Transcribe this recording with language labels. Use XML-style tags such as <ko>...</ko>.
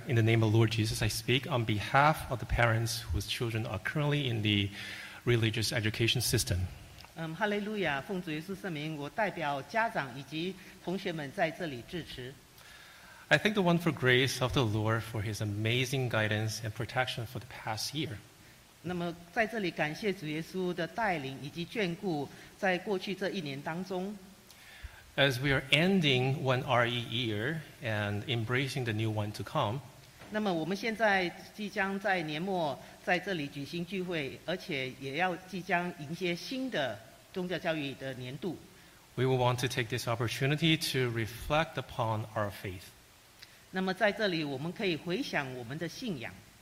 <en>In the name of Lord Jesus, I speak on behalf of the parents whose children are currently in the religious education system. Hallelujah.</en> <zh>奉主耶稣圣名, 我代表家长以及同学们在这里支持。</zh> <en>I thank the wonderful grace of the Lord for his amazing guidance and protection for the past year.</en> <zh>那么在这里感谢主耶稣的带领以及眷顾, 在过去这一年当中。</zh> <en>As we are ending one RE year and embracing the new one to come,</en> <zh>那么我们现在即将在年末在这里举行聚会, 而且也要即将迎接新的宗教教育的年度。</zh> <en>We will want to take this opportunity to reflect upon our faith.</en> <zh>那么在这里我们可以回想我们的信仰。</zh>